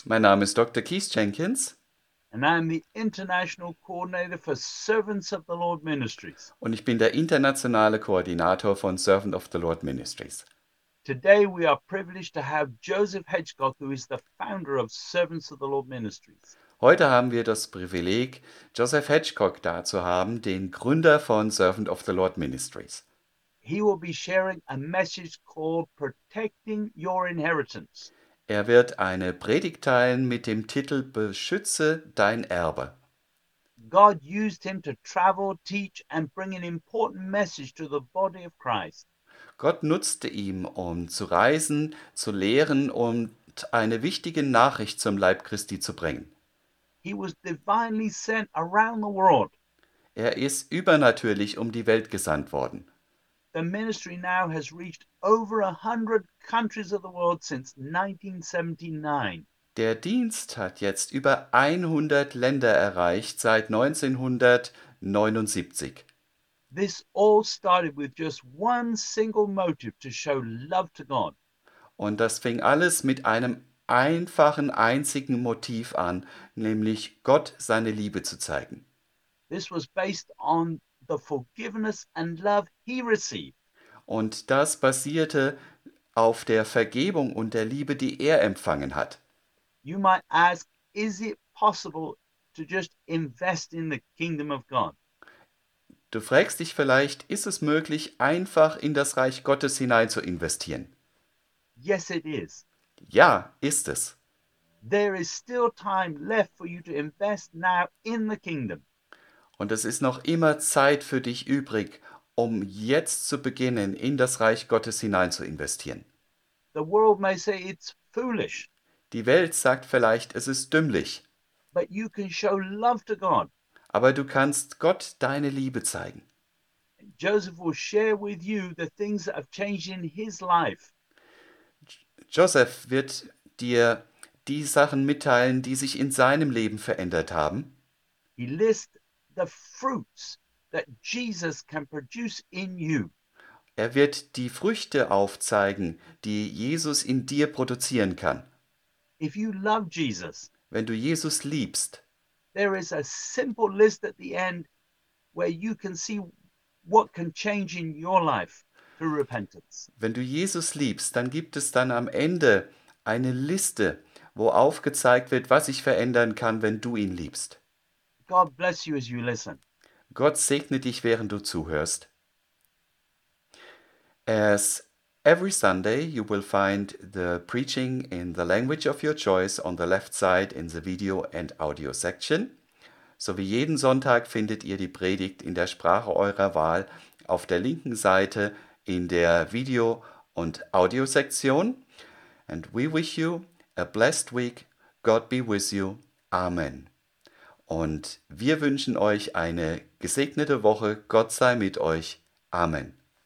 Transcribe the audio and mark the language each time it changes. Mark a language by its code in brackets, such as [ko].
[de] Mein Name ist Dr. Keith Jenkins. [en] And I am the International Coordinator for Servants of the Lord Ministries. [de] Und ich bin der internationale Koordinator von Servant of the Lord Ministries. [en] Today we are privileged to have Joseph Hedgecock, who is the founder of Servants of the Lord Ministries. [de] Heute haben wir das Privileg, Joseph Hedgecock da zu haben, den Gründer von Servant of the Lord Ministries. [en] He will be sharing a message called Protecting Your Inheritance. [de] Er wird eine Predigt teilen mit dem Titel Beschütze dein Erbe. [en] God used him to travel, teach and bring an important message to the body of Christ. [de] Gott nutzte ihn, um zu reisen, zu lehren und eine wichtige Nachricht zum Leib Christi zu bringen. [en] He was divinely sent around the world. [de] Er ist übernatürlich um die Welt gesandt worden. [en] The ministry now has reached over 100 countries of the world since 1979. [de] Der Dienst hat jetzt über 100 Länder erreicht seit 1979. [en] This all started with just one single motive to show love to God. [de] Und das fing alles mit einem einfachen, einzigen Motiv an, nämlich Gott seine Liebe zu zeigen. [en] This was based on the forgiveness and love he received. [de] Und das basierte auf der Vergebung und der Liebe, die er empfangen hat. [en] You might ask, is it possible to just invest in the kingdom of God? [de] Du fragst dich vielleicht, ist es möglich, einfach in das Reich Gottes hinein zu investieren? [en] Yes, it is. [de] Ja, ist es. [en] There is still time left for you to invest now in the kingdom. [de] Und es ist noch immer Zeit für dich übrig, um jetzt zu beginnen, in das Reich Gottes hinein zu investieren. [en] The world may say it's foolish. [de] Die Welt sagt vielleicht, es ist dümmlich. [en] But you can show love to God. [de] Aber du kannst Gott deine Liebe zeigen. [en] Joseph will share with you the things that have changed in his life. [de] Joseph wird dir die Sachen mitteilen, die sich in seinem Leben verändert haben. [en] He lists the fruits that Jesus can produce in you. [de] Er wird die Früchte aufzeigen, die Jesus in dir produzieren kann. [en] If you love Jesus, [de] wenn du Jesus liebst, [en] there is a simple list at the end where you can see what can change in your life. [de] Wenn du Jesus liebst, dann gibt es dann am Ende eine Liste, wo aufgezeigt wird, was sich verändern kann, wenn du ihn liebst. [en] God bless you as you listen. [de] Gott segne dich, während du zuhörst. [en] As every Sunday, you will find the preaching in the language of your choice on the left side in the video and audio section. [de] So wie jeden Sonntag findet ihr die Predigt in der Sprache eurer Wahl auf der linken Seite in der Video- und Audio-Sektion. [en] And we wish you a blessed week. God be with you. Amen. [de] Und wir wünschen euch eine gesegnete Woche. Gott sei mit euch. Amen.